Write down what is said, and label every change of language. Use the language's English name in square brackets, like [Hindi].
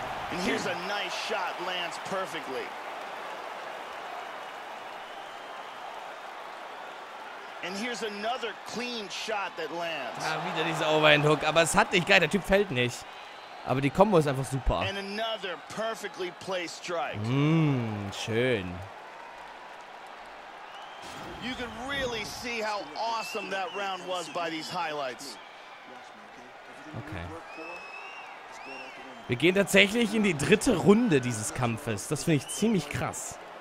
[English] And here's a nice shot, lands perfectly. And here's another clean shot that lands. [German] Ah, wieder dieser Overhand Hook, aber es hat nicht geil, der Typ fällt nicht. Aber die Kombo ist einfach super. [English] And another perfectly placed strike. Schön. You can really see how awesome that round was by these highlights. Okay. [German] Wir gehen tatsächlich in die dritte Runde dieses Kampfes. Das finde ich ziemlich krass.